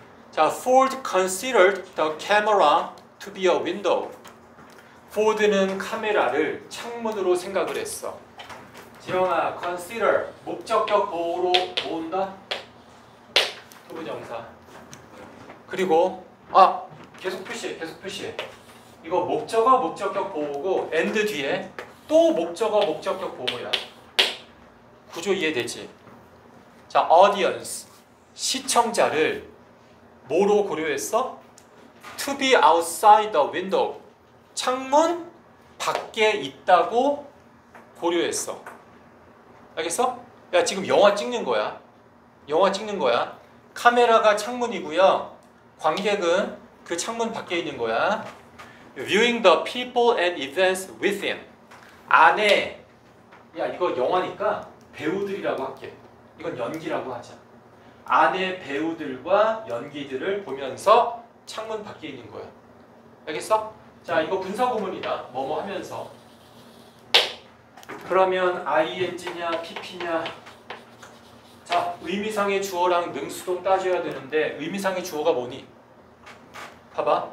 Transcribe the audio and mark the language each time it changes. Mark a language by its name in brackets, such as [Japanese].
[English] 자, Ford considered the camera to be a window. [Korean] Ford는 카메라를 창문으로 생각을 했어. 지영아, consider 목적격 보호로 모은다. 투부 정사. 그리고 아, 계속 표시, 계속 표시. 이거 목적어 목적격 보호고 end 뒤에 또 목적어 목적격 보호야. 구조 이해되지? 자, audience 시청자를 뭐로 고려했어? [English] To be outside the window [Korean] 창문 밖에 있다고 고려했어. 알겠어? 야, 지금 영화 찍는 거야. 영화 찍는 거야. 카메라가 창문이고요. 관객은 그 창문 밖에 있는 거야. [English] Viewing the people and events within 안에. [Korean] 야, 이거 영화니까 배우들이라고 할게. 이건 연기라고 하자. 안에 배우들과 연기들을 보면서 창문 밖에 있는 거야. 알겠어? 자, 이거 분사 구문이다. 뭐뭐 하면서. 그러면 ing냐 pp냐. 자, 의미상의 주어랑 능수동 따져야 되는데 의미상의 주어가 뭐니? 봐봐.